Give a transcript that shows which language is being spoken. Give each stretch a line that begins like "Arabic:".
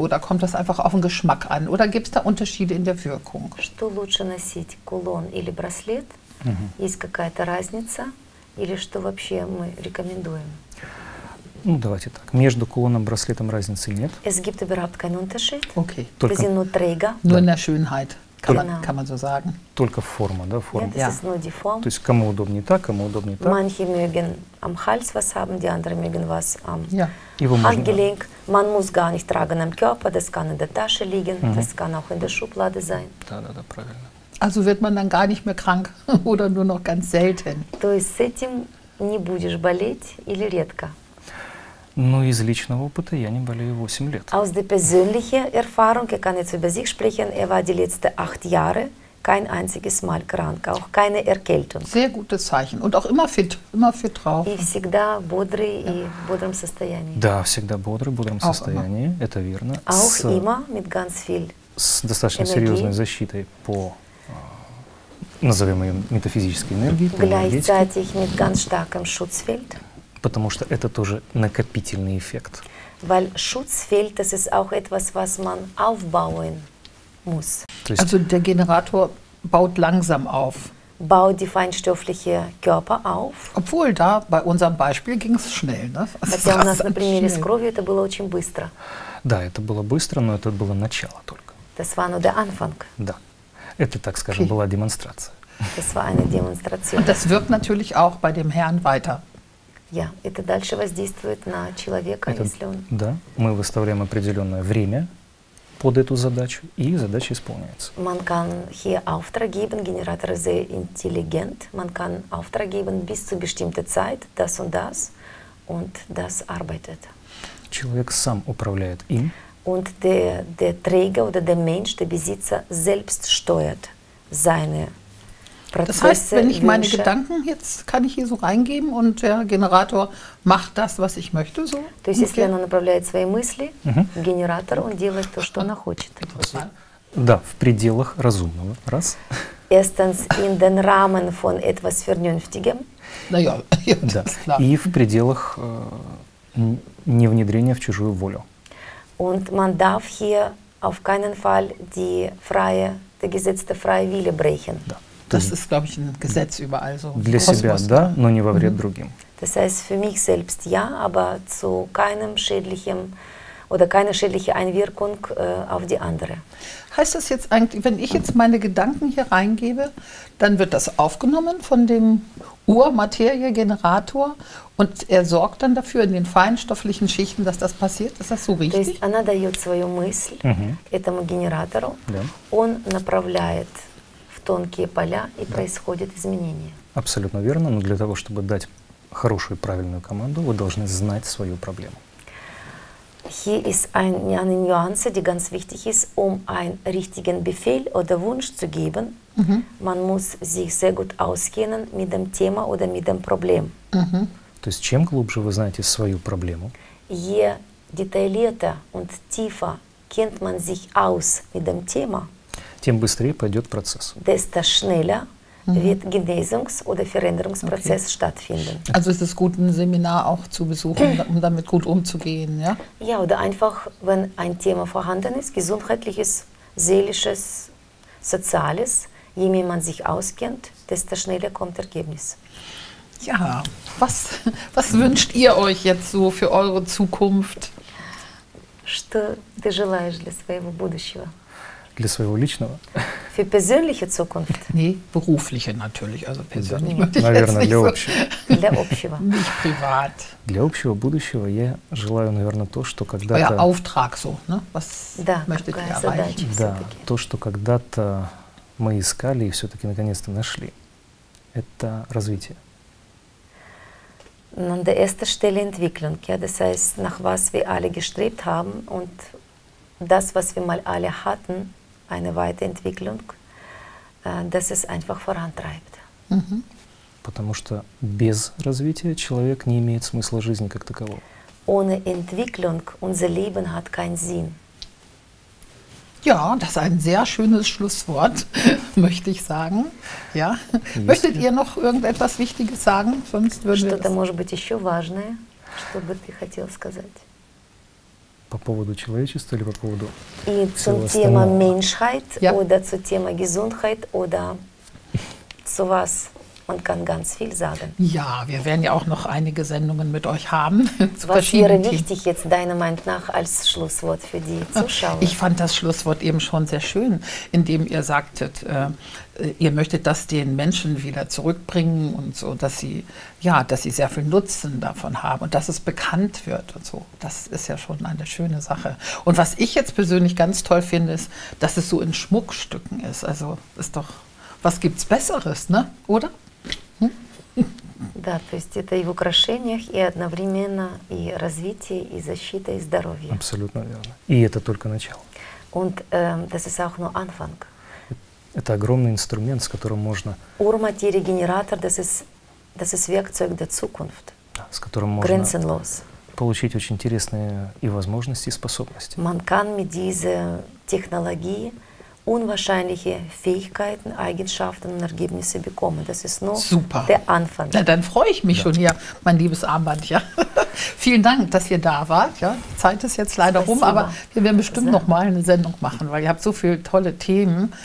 German: Oder kommt das einfach auf den Geschmack an? Oder gibt es da Unterschiede in der Wirkung?
Russian: Что лучше носить, кулон или браслет? Есть какая-то разница? Или что вообще мы рекомендуем? Ну давайте так. Между кулоном и браслетом разницы нет?
German: Es gibt überhaupt keinen Unterschied. Okay.
Russian: Только.
German: Wir sind nur Träger. Nur in der Schönheit. Kann man so sagen.
Russian: Только форма, да, форма.
German: Ja, das ist nur die Form.
Russian: То есть кому удобнее так, кому удобнее так.
German: Manche mögen am Hals was haben, die anderen mögen was am Handgelenk. Man muss gar nicht tragen am Körper, das kann in der Tasche liegen, das kann auch in der Schublade sein.
Russian: Да, правильно.
German: Also wird man dann gar nicht mehr krank oder nur noch ganz selten.
Russian: То есть с этим не будешь болеть или редко? Ну, из личного опыта я не болею 8 лет.
German: Aus der persönlichen Erfahrung, ich kann jetzt über sich sprechen, er war die letzten 8 Jahre kein einziges Mal krank, auch keine Erkältung. Sehr gutes Zeichen. Und auch immer fit drauf.
Russian: И всегда бодрый и в бодром состоянии. Да, всегда бодрый, в бодром состоянии. Это верно.
German: Auch immer mit ganz viel
Russian: С достаточно
German: Energie.
Russian: Серьезной защитой по, назовем ее, метафизической энергии.
German: Gleichzeitig mit ganz starkem Schutzfeld.
Russian: Потому что это тоже накопительный эффект.
German: Weil Schutzfeld, das ist auch etwas, was man aufbauen muss. Also der Generator baut langsam auf. Baut die feinstoffliche Körper auf. Obwohl da bei unserem Beispiel ging es schnell, ne?
Russian: Хотя у нас на примере с кровью это было очень быстро. Да, это было быстро, но это было начало только.
German: Das war nur der Anfang.
Russian: Да, это, так скажем, была демонстрация.
German: Das war eine Demonstration. Und das wirkt natürlich auch bei dem Herrn weiter.
Russian: Ja, это дальше воздействует на человека, это, если он... Да, мы выставляем определенное время под эту задачу, и задача исполняется.
German: Man kann hier Auftrag geben, Generator ist sehr intelligent, man kann Auftrag geben bis zu bestimmter Zeit, das und das, und das arbeitet.
Russian: Человек сам управляет им.
German: Und der Träger oder der Mensch, der Besitzer, selbst steuert seine... Prozesse, das heißt, wenn ich meine Gedanken jetzt, kann ich hier so reingeben und der Generator macht das, was ich möchte, so?
Russian: То есть, если она направляет свои мысли, генератор, он делает то, что она хочет. Да, в пределах разумного. Раз.
German: Erstens in den Rahmen von etwas Vernünftigem. Naja,
Russian: да. И в пределах не внедрения в чужую волю.
German: Und man darf hier auf keinen Fall der gesetzte freie Wille brechen.
Russian: Да.
German: Das ist, glaube ich, ein Gesetz überall so.
Russian: Для себя, да, но не во вред другим.
German: Das heißt, für mich selbst ja, aber zu keinem schädlichen oder keine schädliche Einwirkung auf die andere. Heißt das jetzt eigentlich, wenn ich jetzt meine Gedanken hier reingebe, dann wird das aufgenommen von dem Ur-Materie-Generator und er sorgt dann dafür in den feinstofflichen Schichten, dass das passiert? Ist das so richtig?
Russian: То есть, она дает свою мысль этому генератору, он направляет тонкие поля и происходят изменения. Абсолютно верно, но для того, чтобы дать хорошую и правильную команду, вы должны знать свою проблему.
German: Hier ist eine Nuance, die ganz wichtig ist, einen richtigen Befehl oder Wunsch zu geben. Man muss sich sehr gut auskennen mit dem Thema oder mit dem Problem.
Russian: То есть чем глубже вы знаете свою проблему,
German: je detaillierter und tiefer kennt man sich aus mit dem Thema,
Russian: тем быстрее пойдет процесс.
German: Desto schneller wird Genesungs- oder Veränderungsprozess stattfinden. Also ist es gut, ein Seminar auch zu besuchen, um damit gut umzugehen, ja? Ja, oder einfach, wenn ein Thema vorhanden ist, gesundheitliches, seelisches, soziales, je mehr man sich auskennt, desto schneller kommt Ergebnis. Ja, was wünscht ihr euch jetzt so für eure Zukunft?
Russian: Что ты желаешь для своего будущего? Для своего личного.
German: Für persönliche Zukunft? Nee, berufliche natürlich, also persönlich.
Russian: Наверное, для общего. Для общего.
German: Nicht privat.
Russian: Для общего будущего я желаю, наверное, то, что когда-то...
German: Euer Auftrag so, ne? Was да, möchtet ihr erreichen?
Russian: Задача, да, то, что когда-то мы искали и все-таки наконец-то нашли. Это развитие.
German: An der ersten Stelle Entwicklung, ja, das heißt, nach was wir alle gestrebt haben und das, was wir mal alle hatten, eine Weiterentwicklung, dass es einfach vorantreibt.
Russian: Потому что без развития человек не имеет смысла жизни как такового.
German: Ohne Entwicklung unser Leben hat keinen Sinn. Ja, das ist ein sehr schönes Schlusswort, möchte ich sagen. Ja. Möchtet ihr noch irgendetwas Wichtiges sagen? Sonst würden wir
Russian: что-то может быть еще важное, что бы ты хотел сказать? По поводу человечества или по поводу и
German: zum Thema Menschheit ja. oder zu Thema Gesundheit oder zu was? Man kann ganz viel sagen. Ja, wir werden ja auch noch einige Sendungen mit euch haben. Was wäre wichtig jetzt deiner Meinung nach als Schlusswort für die Zuschauer? Ich fand das Schlusswort eben schon sehr schön, indem ihr sagtet, ihr möchtet das den Menschen wieder zurückbringen und so, dass sie, ja, dass sie sehr viel Nutzen davon haben und dass es bekannt wird und so. Das ist ja schon eine schöne Sache. Und was ich jetzt persönlich ganz toll finde, ist, dass es so in Schmuckstücken ist. Also ist doch, was gibt's Besseres, ne? Oder?
Russian: Да, то есть это и в украшениях, и одновременно и развитие, и защита, и здоровье. Абсолютно верно. И это только начало.
German: Und das ist auch nur Anfang.
Russian: Это огромный инструмент, с которым можно...
German: Ur-Materie-Generator, das ist Werkzeug der Zukunft.
Russian: Да, с которым можно...
German: Grenzenlos.
Russian: Получить очень интересные и возможности, и способности.
German: Man kann mit dieser Technologie unwahrscheinliche Fähigkeiten, Eigenschaften und Ergebnisse bekommen. Das ist nur super. Der Anfang. Na, dann freue ich mich ja. schon hier, mein liebes Armband. Ja. Vielen Dank, dass ihr da wart. Ja. Die Zeit ist jetzt leider rum, aber wir werden bestimmt noch mal eine Sendung machen, weil ihr habt so viele tolle Themen.